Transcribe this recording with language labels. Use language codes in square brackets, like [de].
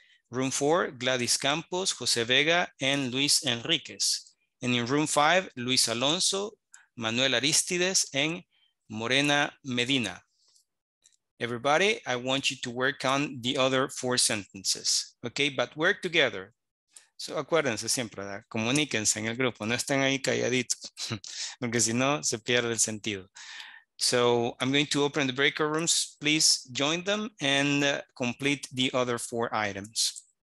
[en] Room 4, Gladys Campos, José Vega, and Luis Enríquez. And in room 5, Luis Alonso, Manuel Aristides, and Morena Medina. Everybody, I want you to work on the other 4 sentences, okay? But work together. So, [es] acuérdense siempre, ¿verdad? Comuníquense en el grupo, no estén ahí calladitos, porque si no, se pierde el sentido. [en] So, I'm going to open the breakout rooms. Please join them and complete the other 4 items.